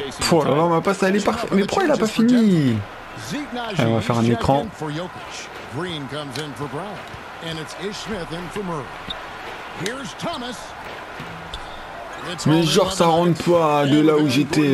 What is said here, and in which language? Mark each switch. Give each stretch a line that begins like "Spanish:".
French: Oh là là, ma passe elle est parfaite. Mais pourquoi il a pas fini? Allez, on va faire un écran.
English: Green comes in for Brown, and it's Ish Smith in for Murray. Here's Thomas.
French: Mais genre ça rentre pas de là où j'étais.